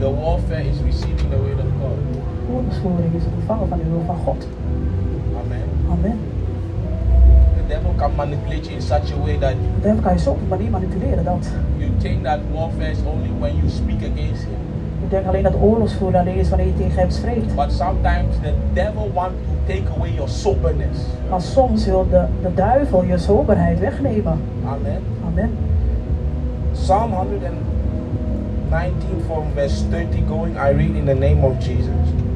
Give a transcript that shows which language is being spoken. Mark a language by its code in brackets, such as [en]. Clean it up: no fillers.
[en] the warfare is receiving the word of God. [nl] Oorlogsvoering is het ontvangen van de wil van God. [en] Amen. [nl] Amen. [en] The devil can manipulate you in such a way that. [nl] De devil kan je zo op een manier manipuleren dat. [en] You think that warfare is only when you speak against him. [nl] Je denkt alleen dat oorlogsvoering alleen is wanneer je tegen hem spreekt. [en] But sometimes the devil wants to take away your soberness. [nl] Maar soms wil de duivel je soberheid wegnemen. [en] Amen. [nl] Amen. [en] Psalm 119 from verse 30 going, I read in the name of Jesus.